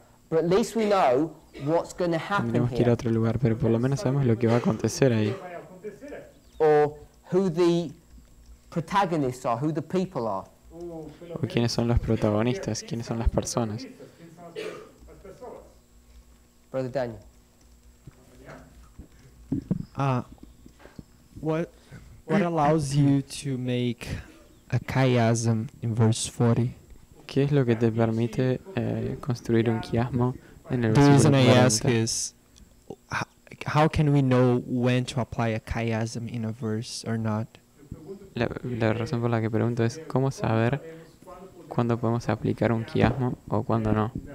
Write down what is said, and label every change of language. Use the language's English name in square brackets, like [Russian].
[English] But at least we know what's going to happen here. [Spanish] Tenemos que ir a otro lugar, pero por lo menos sabemos lo que va a acontecer ahí. [English] Or who the protagonists are, who the people are. [Spanish] O quiénes son los protagonistas, quiénes son las personas. [English] Brother Daniel. What allows you to make a chiasm in verse 40? [Spanish] ¿Qué es lo que te permite construir un quiasmo en el versículo 40? [English] The reason I ask is, how can we know when to apply a chiasm in a verse or not? [Spanish] La razón por la que pregunto es, ¿cómo saber cuándo podemos aplicar un quiasmo o cuándo no?